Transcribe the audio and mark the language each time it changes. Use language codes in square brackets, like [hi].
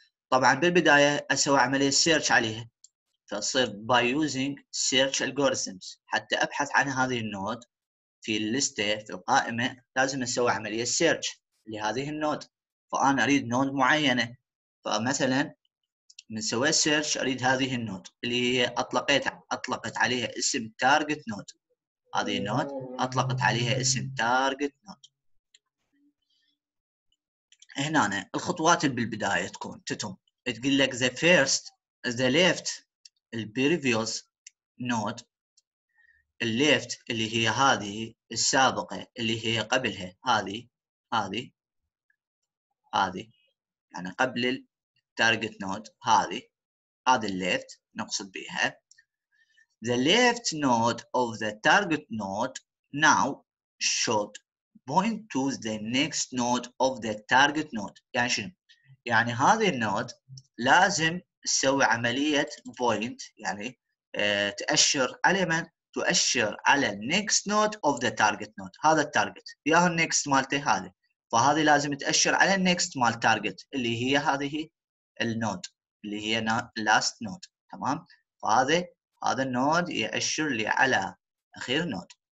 [ar] طبعا بالبدايه اسوي عمليه سيرش عليها فصير by using search algorithms حتى ابحث عن هذه النود في الليسته في القائمه لازم اسوي عمليه سيرش لهذه النود. فانا اريد نود معينه فمثلا من سويت سيرش اريد هذه النود اللي هي اطلقت عليها اسم target node. هذه النود اطلقت عليها اسم target node. هنا الخطوات اللي بالبداية تكون تتم تقول لك [en] the first the left [ar] the previous node the left اللي هي هذه السابقة اللي هي قبلها هذه يعني قبل ال [en] target node هذه left نقصد بها the left node of the target node now should point to the next node of the target node. [ar] يعني شنو؟ يعني هذه النود لازم تسوي عملية point يعني تأشر على من؟ تؤشر على [en] next node of the target node. [ar] هذا التارجت يا هو next مالته هذه. فهذه لازم تأشر على next مال target اللي هي هذه النود اللي هي last node تمام؟ فهذا النود يأشر لي على أخير نود.